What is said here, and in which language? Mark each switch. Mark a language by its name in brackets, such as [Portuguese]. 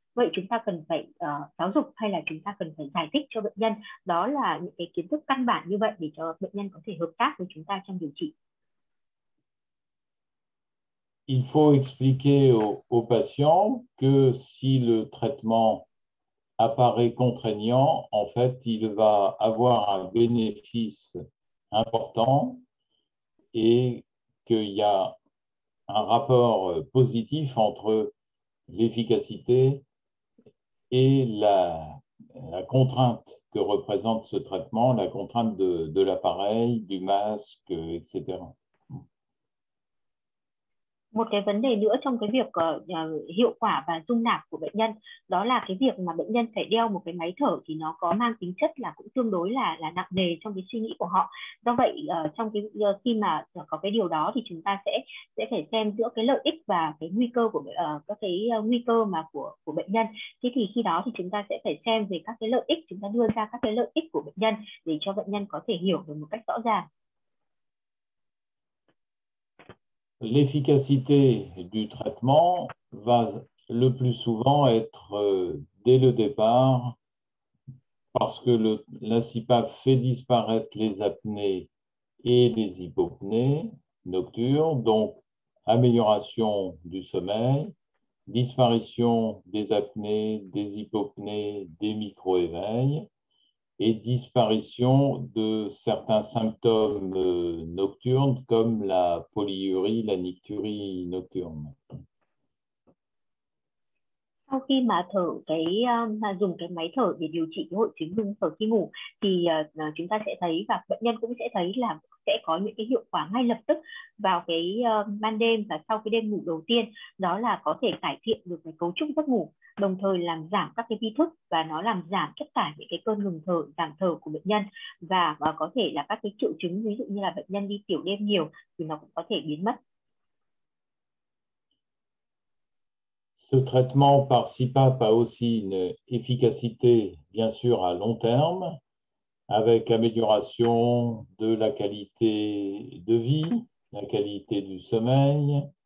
[Vietnamese] Vậy chúng ta cần phải giáo dục hay là chúng ta cần phải giải thích cho bệnh nhân đó là những cái kiến thức căn bản như vậy để cho bệnh nhân có thể hợp tác với chúng ta trong điều trị. [French] Il faut expliquer au patient que si le traitement apparaît contraignant, en fait, il va avoir un bénéfice important et qu'il y a un rapport positif entre l'efficacité et la contrainte que représente ce traitement, la contrainte de l'appareil, du masque, etc. [Vietnamese] Một cái vấn đề nữa trong cái việc hiệu quả và dung nạp của bệnh nhân đó là cái việc mà bệnh nhân phải đeo một cái máy thở thì nó có mang tính chất là cũng tương đối là nặng nề trong cái suy nghĩ của họ. Do vậy trong cái khi mà có cái điều đó thì chúng ta sẽ phải xem giữa cái lợi ích và cái nguy cơ của các cái nguy cơ mà của bệnh nhân. Thế thì khi đó thì chúng ta sẽ phải xem về các cái lợi ích, chúng ta đưa ra các cái lợi ích của bệnh nhân để cho bệnh nhân có thể hiểu được một cách rõ ràng. [French] L'efficacité du traitement va le plus souvent être dès le départ parce que la CPAP fait disparaître les apnées et les hypopnées nocturnes, donc amélioration du sommeil, disparition des apnées, des hypopnées, des micro-éveils et disparition de certains symptômes nocturnes comme la polyurie, la nycturie nocturne. [Vietnamese] Sau khi mà thở cái mà dùng cái máy thở để điều trị cái hội chứng ngưng thở khi ngủ thì chúng ta sẽ thấy và bệnh nhân cũng sẽ thấy là sẽ có những cái hiệu quả ngay lập tức vào cái ban đêm và sau cái đêm ngủ đầu tiên, đó là có thể cải thiện được cái cấu trúc giấc ngủ, đồng thời làm giảm các cái vi thức và nó làm giảm tất cả những cái cơn ngừng thở, giảm thở của bệnh nhân và có thể là các cái triệu chứng ví dụ như là bệnh nhân đi tiểu đêm nhiều thì nó cũng có thể biến mất. [French] Ce traitement par CPAP a aussi une efficacité, bien sûr, à long terme, avec amélioration de la qualité de vie, la qualité du sommeil.